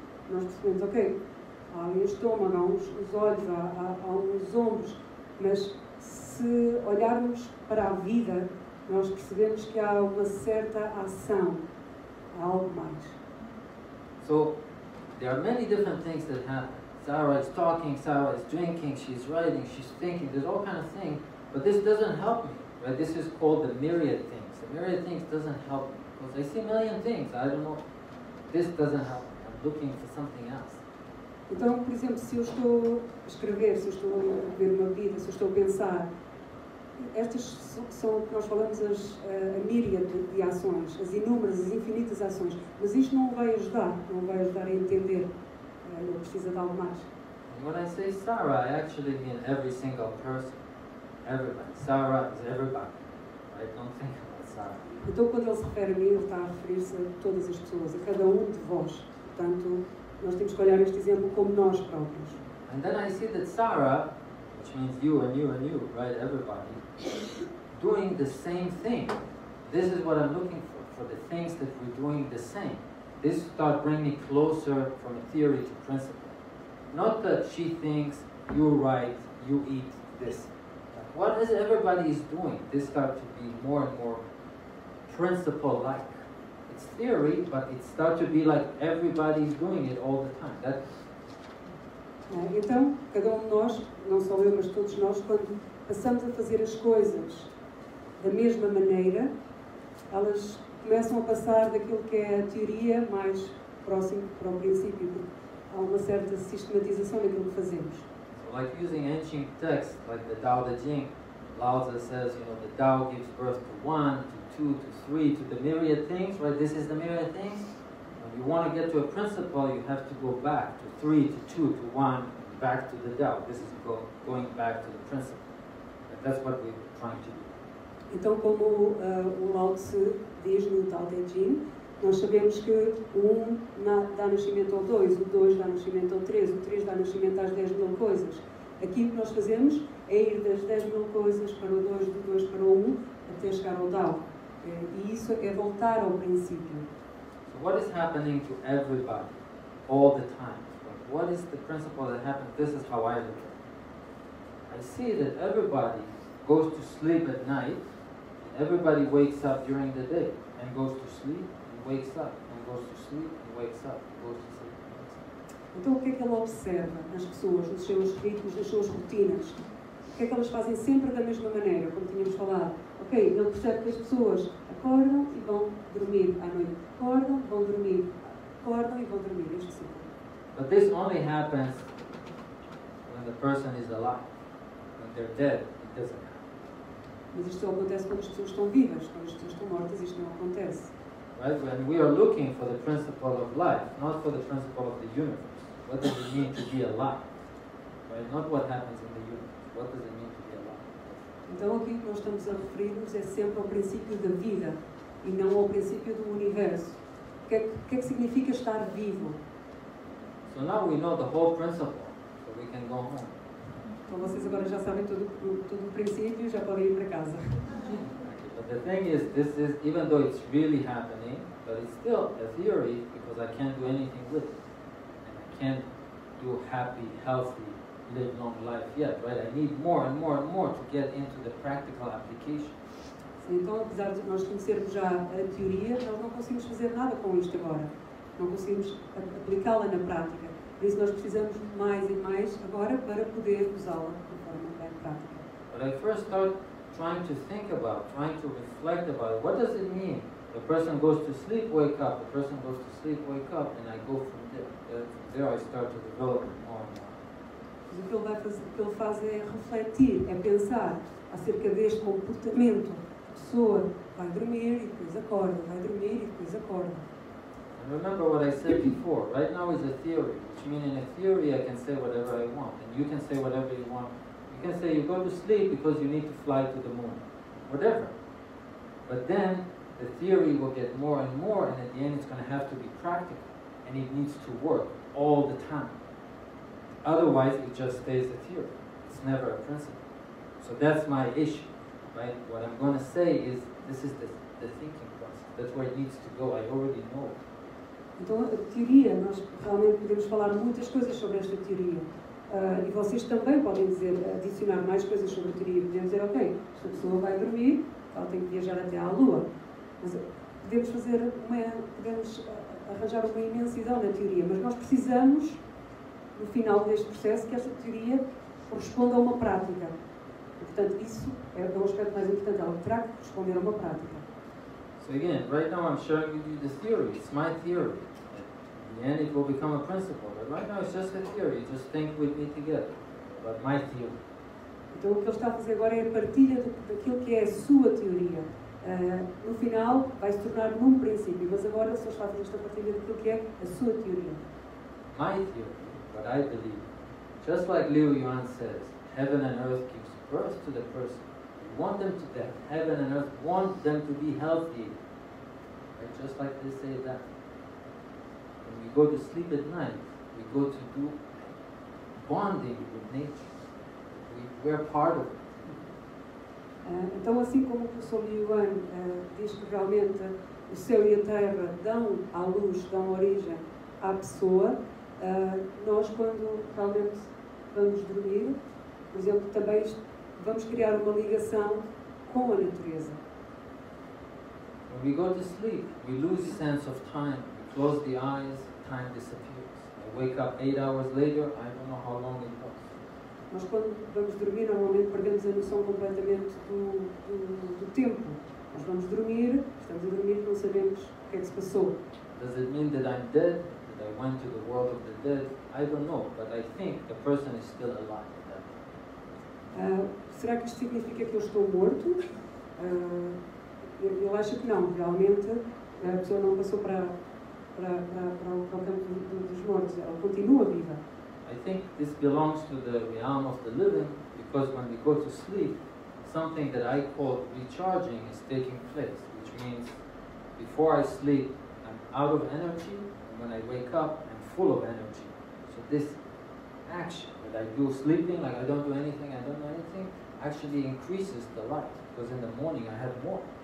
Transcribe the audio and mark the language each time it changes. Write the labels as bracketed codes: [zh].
[pt] Nós percebemos, ok, há um estômago, há uns olhos, há uns ombros, mas se olharmos para a vida, nós percebemos que há uma certa ação, há algo mais. [en] So, there are many different things that happen. Sarah is talking, Sarah is drinking, she's writing, she's thinking, there's all kind of things, but this doesn't help me, right? This is called the myriad things. The myriad things doesn't help me, because I see a million things, I don't know, this doesn't help me. Looking for something else. [pt] Então, por exemplo, se eu estou a escrever, se eu estou a ver uma vida, se eu estou a pensar, estas são o que nós falamos, a míriade de ações, as inúmeras, as infinitas ações, mas isto não vai ajudar, não vai ajudar a entender, não precisa de algo mais. [en] And when I say Sarah, I actually mean every single person, everybody. Sarah is everybody. I don't think about Sarah. [pt] Então, quando ele se refere a mim, ele está a referir-se a todas as pessoas, a cada um de vós. Portanto, nós temos que olhar este exemplo como nós próprios. [en] And then I see that Sarah, which means you and you and you, right, everybody, doing the same thing. This is what I'm looking for the things that we're doing the same. This start bringing me closer from a theory to principle. Not that she thinks you're right, you eat this. What is everybody is doing? This start to be more and more principle-like. It's theory, but it starts to be like everybody's doing it all the time. [pt] Então, cada um de nós, não só eu, mas todos nós, quando passamos a fazer as coisas da mesma maneira, elas começam a passar daquilo que é a teoria mais próximo para o princípio, porque há uma certa sistematização naquilo que fazemos. [en] So, like using ancient texts, like the Tao Te Ching, Lao Tzu says, you know, the Tao gives birth to one, to two, to three, to the myriad things, right? This is the myriad things. When you want to get to a principle, you have to go back to three, to two, to one, back to the Tao. This is going back to the principle. And that's what we're trying to do. [pt] Então, como o Lao Tzu diz no Tao Te Ching, nós sabemos que o dá nascimento ao dois, o dois dá nascimento ao três, o três dá nascimento às 10,000 coisas. Aqui o que nós fazemos é ir das 10,000 coisas para o 2, do 2 para o 1, até chegar ao Tao. E isso é voltar ao princípio. [en] So what is happening to everybody all the time? What is the principle that happens? This is how I look at it. I see that everybody goes to sleep at night, and everybody wakes up during the day and goes to sleep and wakes up and goes to sleep and wakes up and goes to sleep. [pt] Então, o que é que ela observa nas pessoas, nos seus ritmos, nas suas rotinas? O que é que elas fazem sempre da mesma maneira, como tínhamos falado? Ok, ele percebe que as pessoas acordam e vão dormir à noite. Acordam, vão dormir. Acordam e vão dormir. Este ciclo. [en] But this only happens when the person is alive. When they're dead, it doesn't happen. [pt] Mas isto só acontece quando as pessoas estão vivas. Quando as pessoas estão mortas, isto não acontece. [en] Right? When we are looking for the principle of life, not for the principle of the universe. What does it mean to be alive? Right? Not what happens in the universe. What does it mean to be alive? [pt] Então aqui o que nós estamos a referir-nos é sempre ao princípio da vida e não ao princípio do universo. O que é que significa estar vivo? [en] So now we know the whole principle, so we can go home. [pt] Então vocês agora já sabem todo o princípio, já podem ir para casa. [en] But the thing is, this is, even though it's really happening, but it's still a theory because I can't do anything with it. Can't do happy, healthy, live long life yet, right? I need more and more and more to get into the practical application. [pt] Sim, então, apesar de nós conhecermos já a teoria, nós não conseguimos fazer nada com isto agora. Não conseguimos aplicá-la na prática. Por isso, nós precisamos mais e mais agora para poder usá-la de forma bem prática. [en] But I first start trying to think about, trying to reflect about it. What does it mean? The person goes to sleep, wake up. The person goes to sleep, wake up, and I go from there. From there, I start to develop more and more. [pt] Mas o que ele vai fazer, o que ele faz é refletir, é pensar acerca deste comportamento. A pessoa vai dormir e depois acorda, vai dormir e depois acorda. [en] And remember what I said before. Right now is a theory, which means in a theory I can say whatever I want, and you can say whatever you want. You can say you go to sleep because you need to fly to the moon, whatever. But then. The theory will get more and more, and at the end, it's going to have to be practical, and it needs to work all the time. Otherwise, it just stays a theory. It's never a principle. So that's my issue, right? What I'm going to say is, this is the thinking process. That's where it needs to go. I already know it. [pt] Então, a teoria, nós realmente podemos falar muitas coisas sobre esta teoria. E vocês também podem dizer, adicionar mais coisas sobre a teoria. Podemos dizer, ok, esta pessoa vai dormir, ela tem que viajar até à Lua. Mas podemos fazer podemos arranjar uma imensidão na teoria, mas nós precisamos, no final deste processo, que esta teoria corresponda a uma prática. E, portanto, isso é o aspecto mais importante, ela terá que corresponder a uma prática. [en] So again, right now I'm sharing with you the theory, it's my theory. In the end it will become a principle, but right now it's just a theory, you just think with me together, but my theory. [pt] Então o que ele está a fazer agora é a partilha daquilo que é a sua teoria. No final, vai se tornar num princípio, mas agora só está a fazer esta partilha daquilo que é a sua teoria. [en] My theory, what I believe, just like Liu Yuan says, heaven and earth gives birth to the person. We want them to death. Heaven and earth want them to be healthy. Right? Just like they say that. When we go to sleep at night, we go to do bonding with nature. We're part of it. [pt] Então, assim como o professor Liu Yuan diz que realmente o céu e a terra dão à luz, dão origem à pessoa, nós quando realmente vamos dormir, por exemplo, também vamos criar uma ligação com a natureza. [en] When we go to sleep, we lose sense of time. We close the eyes, time disappears. I wake up 8 hours later, I don't know how long it was. [pt] Nós, quando vamos dormir, normalmente perdemos a noção completamente do tempo. Nós vamos dormir, estamos a dormir e não sabemos o que é que se passou. [en] Does it mean that I'm dead? That I went to the world of the dead? I don't know, but I think the person is still alive at that point. [pt] Será que isto significa que eu estou morto? Eu acho que não. Realmente, a pessoa não passou para o campo dos mortos. Ela continua viva. [en] I think this belongs to the realm of the living, because when we go to sleep, something that I call recharging is taking place, which means before I sleep, I'm out of energy, and when I wake up, I'm full of energy. So this action that I do sleeping, like I don't do anything, I don't do anything, actually increases the light, because in the morning I have more.